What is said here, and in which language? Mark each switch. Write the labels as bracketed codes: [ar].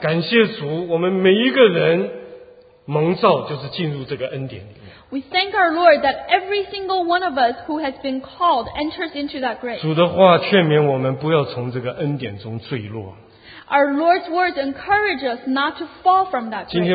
[zh] 感谢主，我们每一个人蒙召就是进入这个恩典里面。 [en] We thank our Lord that every single one of us who has been called enters into that grace. [zh] 主的话劝勉我们不要从这个恩典中坠落。 [en] Our Lord's words encourage us not to fall from that grace.